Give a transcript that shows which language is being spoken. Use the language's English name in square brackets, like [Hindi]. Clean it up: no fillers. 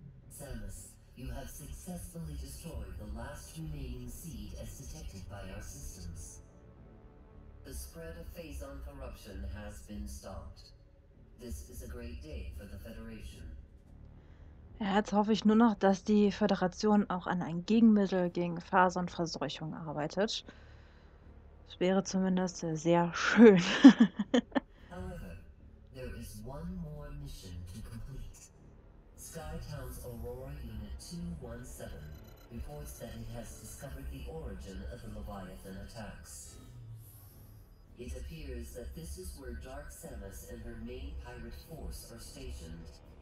[English] Samus, you have successfully destroyed the last remaining seed as detected by our systems. The spread of Phazon corruption has been stopped. This is a great day for the Federation. [German] Ja, jetzt hoffe ich nur noch, dass die Föderation auch an ein Gegenmittel gegen Phazon-Verseuchung arbeitet. Das wäre zumindest sehr schön. [English] However, there is one more mission to complete. Skytown's Aurora Unit 217 reports that it has discovered the origin of the Leviathan attacks. It appears that this is where Dark Samus and her main pirate force are stationed.